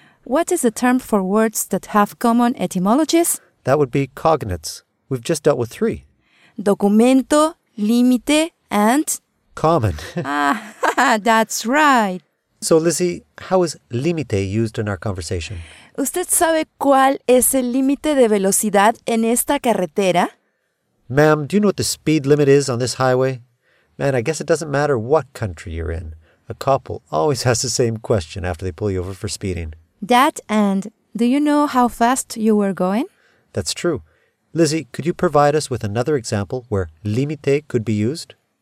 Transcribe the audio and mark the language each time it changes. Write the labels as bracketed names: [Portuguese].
[English] What is the term for words that have common etymologies? That would be cognates. We've just dealt with three. Documento, límite, and? Common. that's right. So, Lizzie, how is límite used in our conversation? [Spanish] ¿Usted sabe cuál es el límite de velocidad en esta carretera? [English] Ma'am, do you know what the speed limit is on this highway? Man, I guess it doesn't matter what country you're in. A cop will always ask the same question after they pull you over for speeding. That and do you know how fast you were going? That's true. Lizzie, could you provide us with another example where límite could be used?